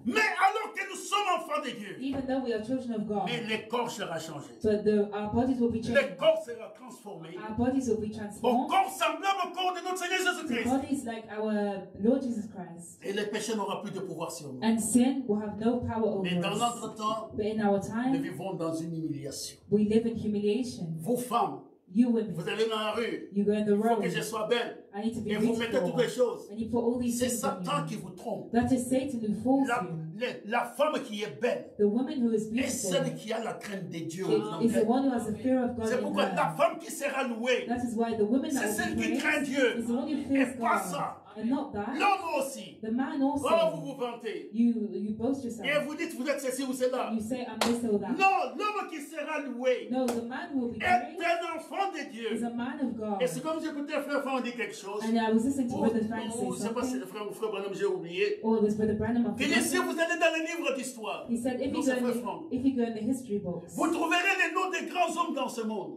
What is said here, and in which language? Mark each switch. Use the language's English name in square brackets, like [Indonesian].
[French] Mais alors que nous sommes enfants de Dieu. [English] Even though we are children of God. [French] Mais le corps sera changé. [English] But our bodies will be changed. [French] Le corps sera transformé. [English] Our bodies will be transformed. [French] Au corps semblable au corps de notre Seigneur Jésus Christ. [English] The bodies like our Lord Jesus Christ. [French] Et le péché n'aura plus de pouvoir sur nous. [English] And sin will have no power over us. [French] Mais dans notre temps. [English] But in our time. [French] Nous vivons dans une humiliation. [English] We live in humiliation. [French] Vos femmes. [English] You women. [French] Vous allez dans la rue. [English] You go in the road. [French] Que je sois belle. [English] I need to be [French] et vous mettez toutes les choses. [English] And you put all these [French] c'est Satan qui vous trompe. [English] That is Satan who fools [French] la, [English] you. [French] La femme qui est belle. [English] The woman who is beautiful. [French] Est celle qui a la crainte de Dieu. [English] Is the one who has the fear of God. [French] C'est pourquoi la femme qui sera louée. [English] That is why the woman [French] c'est celle qui craint Dieu. [English] Is the one who fears God. [French] Et pas ça. [English] And not that. [French] L'homme aussi. [English] The man also. [French] Oh, vous vantez. [English] You boast yourself. [French] Et vous dites vous êtes ceci ou cela. [English] You say I'm this or that. [French] Non, l'homme qui sera loué. [English] No, the man who will be [French] est un enfant de Dieu. [English] Is a man of God. [French] Et c'est comme j'écoutais un frère dit quelque chose. [English] And I was listening to Brother Frank say something. [French] Pas, c'est frère Branham, j'ai oublié. [English] Or it was Brother Branham. [French] Il dit si vous allez dans les livres d'histoire. [English] He said if you go in the history books. [French] Vous trouverez les noms des grands hommes dans ce monde.